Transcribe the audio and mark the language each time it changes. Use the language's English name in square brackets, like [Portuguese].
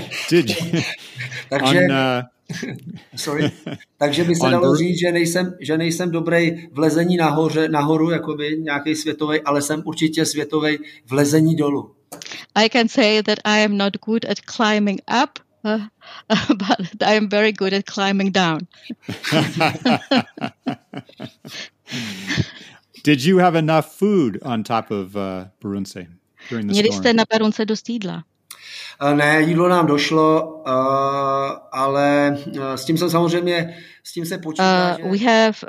[English] Did [Czech] takže, sorry. Takže by se dalo říct, že nejsem dobrý v lezení nahoře, nahoru, jakoby nějaký světový, ale jsem určitě světový v lezení dolů. [English] I can say that I am not good at climbing up, but I am very good at climbing down. Did you have enough food on top of Baruntse during the storm? [Czech] Měli jste na Baruntse dost jídla? Ne, jídlo nám došlo, ale s tím jsem samozřejmě, s tím se počítá, že...